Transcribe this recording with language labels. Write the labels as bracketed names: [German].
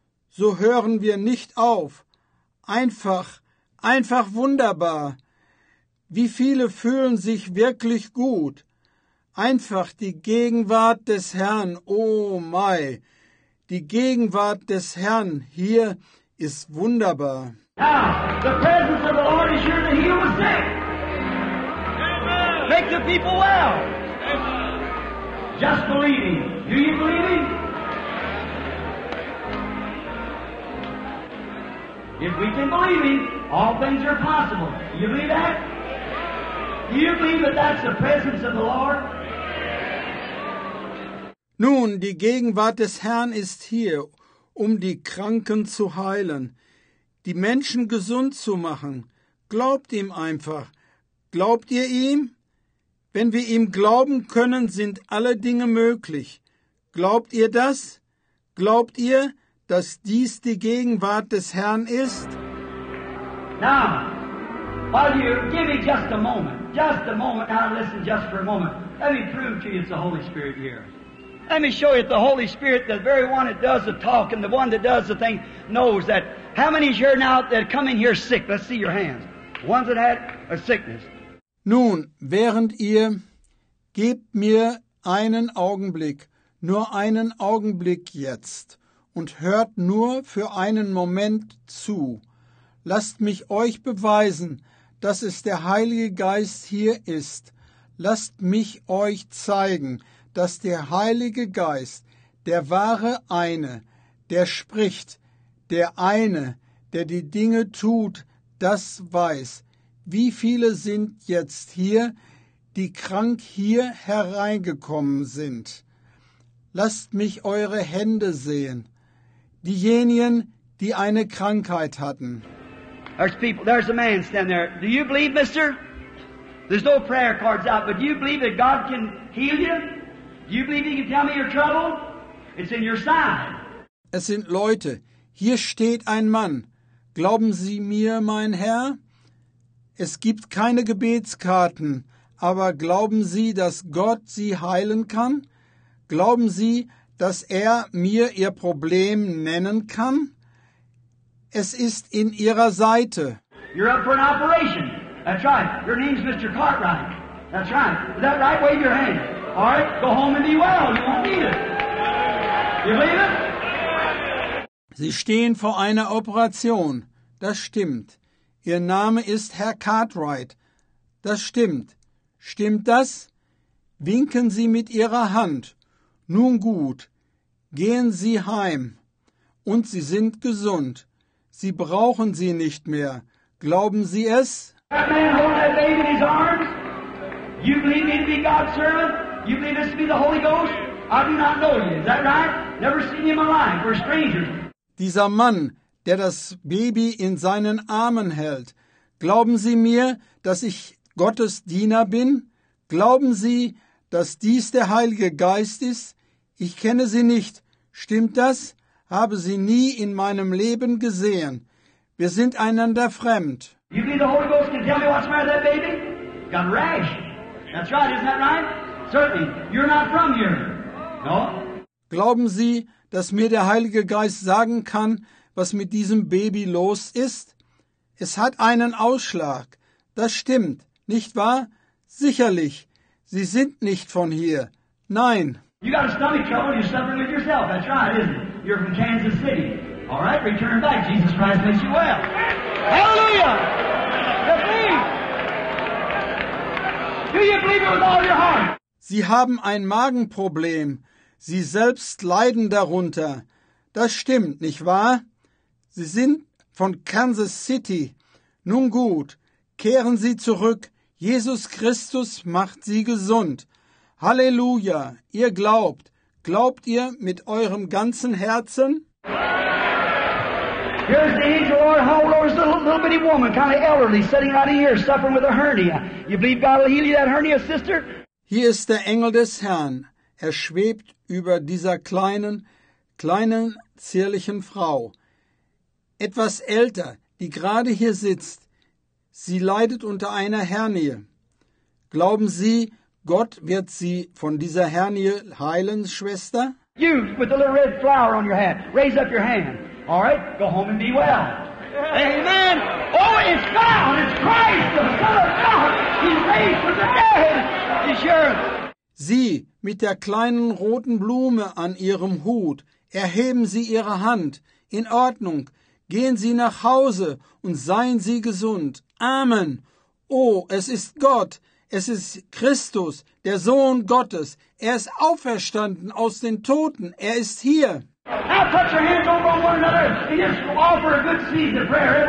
[German] So hören wir nicht auf. Einfach, einfach wunderbar. Wie viele fühlen sich wirklich gut? Einfach die Gegenwart des Herrn, oh mei. Die Gegenwart des Herrn hier ist wunderbar. [English] Now, the presence of the Lord is here to heal the sick. Amen. Make the people well. Amen. Just believing. Do you believe him? If we can believe him, all things are possible. Do you believe that? Do you believe that that's the presence of the Lord? [German] Nun, die Gegenwart des Herrn ist hier, um die Kranken zu heilen, die Menschen gesund zu machen. Glaubt ihm einfach. Glaubt ihr ihm? Wenn wir ihm glauben können, sind alle Dinge möglich. Glaubt ihr das? Glaubt ihr, dass dies die Gegenwart des Herrn ist? [English] Now, while you give me just a moment, now listen just for a moment. Let me prove to you it's the Holy Spirit here. Let me show you the Holy Spirit, the very one that does the talk and the one that does the thing, knows that. How many here now that come in here sick? Let's see your hands. Ones that had a sickness. [German] Nun, während ihr, gebt mir einen Augenblick, nur einen Augenblick jetzt, und hört nur für einen Moment zu. Lasst mich euch beweisen, dass es der Heilige Geist hier ist. lasst mich euch zeigen, dass der Heilige Geist, der wahre Eine, der spricht, der Eine, der die Dinge tut, das weiß. Wie viele sind jetzt hier, die krank hier hereingekommen sind? Lasst mich eure Hände sehen. Diejenigen, die eine Krankheit hatten. [English] There's people, there's a man standing there. Do you believe, mister? There's no prayer cards out, but do you believe that God can heal you? Do you believe he can tell me your trouble? It's in your side. [German] Es sind Leute. Hier steht ein Mann. Glauben Sie mir, mein Herr? Es gibt keine Gebetskarten, aber glauben Sie, dass Gott Sie heilen kann? Glauben Sie, dass er mir Ihr Problem nennen kann? Es ist in Ihrer Seite. [English] You're up for an operation. That's right. Your name's Mr. Cartwright. That's right. Is that right? Wave your hand. All right. Go home and be well. You won't need it. You believe it? [German] Sie stehen vor einer Operation. Das stimmt. Ihr Name ist Herr Cartwright. Das stimmt. Stimmt das? Winken Sie mit Ihrer Hand. Nun gut. Gehen Sie heim. Und Sie sind gesund. Sie brauchen sie nicht mehr. Glauben Sie es? [English] That man holding that baby in his arms? You believe me to be God's servant? You believe this to be the Holy Ghost? I do not know you. Is that right? Never seen you in my life. We're strangers. [German] Dieser Mann, der das Baby in seinen Armen hält, glauben Sie mir, dass ich Gottes Diener bin? Glauben Sie, dass dies der Heilige Geist ist? Ich kenne Sie nicht. Stimmt das? Habe Sie nie in meinem Leben gesehen. Wir sind einander fremd. [English] You believe the Holy Ghost can tell me what's the matter with that baby? Got a rash. That's right, isn't that right? Certainly. You're not from here. No? [German] Glauben Sie, dass mir der Heilige Geist sagen kann, was mit diesem Baby los ist? Es hat einen Ausschlag. Das stimmt, nicht wahr? Sicherlich. Sie sind nicht von hier. Nein. [English] You got a stomach trouble and you're suffering with yourself. That's right, isn't it? You're from Kansas City. All right, return back. Jesus Christ makes you well. Hallelujah! That's me! Do you believe it with all your heart? [German] Sie haben ein Magenproblem. Sie selbst leiden darunter. Das stimmt, nicht wahr? Sie sind von Kansas City. Nun gut, kehren Sie zurück. Jesus Christus macht Sie gesund. Halleluja! Ihr glaubt. Glaubt ihr mit eurem ganzen Herzen? [English] Here's the angel, Lord. How old is the little bitty woman, kind of elderly, sitting right here, suffering with a hernia. You believe God will heal you that hernia, sister? [German] Hier ist der Engel des Herrn. Er schwebt über dieser kleinen, zierlichen Frau. Etwas älter, die gerade hier sitzt. Sie leidet unter einer Hernie. Glauben Sie, Gott wird Sie von dieser Hernie heilen, Schwester? [English] You, with the little red flower on your hat, raise up your hand. All right, go home and be well. Amen. Oh, it's God, it's Christ, the Son of God. He's raised from the dead. He's sure. [German] Sie, mit der kleinen roten Blume an Ihrem Hut, erheben Sie Ihre Hand. In Ordnung. Gehen Sie nach Hause und seien Sie gesund. Amen. Oh, es ist Gott. Es ist Christus, der Sohn Gottes. Er ist auferstanden aus den Toten. Er ist hier. [English] Now touch your hands over on one another and just offer a good season of prayer.